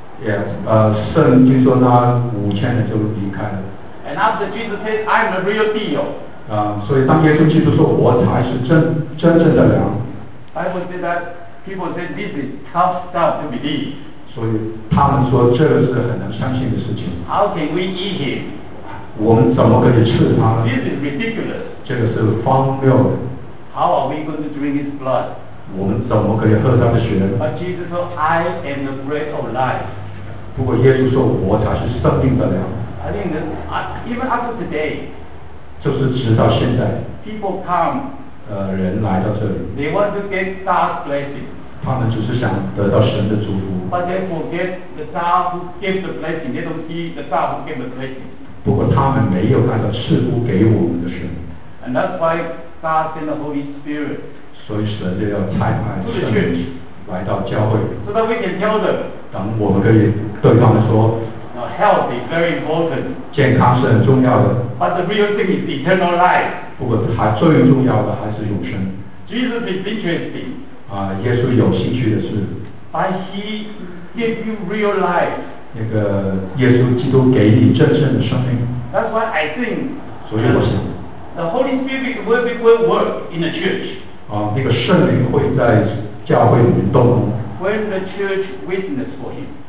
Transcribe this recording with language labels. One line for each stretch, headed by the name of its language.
Chinese: Yes, 圣经说那5,000人就离开了。
English: And after Jesus says, "I'm the real deal."
Chinese: 所以当耶稣基督说我才是真正的粮。
English: Bible says that people say this is tough stuff to believe.
Chinese: 所以他们说这个是很难相信的事情。
English: How can we eat him?
Chinese: 我们怎么可以吃他呢
English: ？This is ridiculous.
Chinese: 这个是荒谬的。
English: How are we going to drink his blood?
Chinese: 我们怎么可以喝他的血呢
English: ？But Jesus said, "I am the bread of life."
Chinese: 不过耶稣说，我才是生命的粮。
English: I think even up to today.
Chinese: 就是直到现在。
English: people come.
Chinese: 人来到这里。
English: They want to get God's blessing.
Chinese: 他们只是想得到神的祝福。
English: But they forget the God who gives the blessing. They don't see the God who gives the blessing.
Chinese: 不过他们没有看到赐福给我们的神。
English: And that's why God sent the Holy Spirit.
Chinese: 所以神就要差派圣灵来到教会。
English: So that we can tell them.
Chinese: 等我们可以对他们说。
English: Now, health is very important.
Chinese: 健康是很重要的。
English: But the real thing is eternal life.
Chinese: 不过还最重要的还是永生。
English: Jesus is interesting.
Chinese: 耶稣有兴趣的是。
English: But he gives you real life.
Chinese: 那个耶稣基督给你真正的生命。
English: That's why I think.
Chinese: 所以我想。
English: The Holy Spirit will work in the church.
Chinese: 那个圣灵会在教会里面动工。
English: When the church witnesses for him.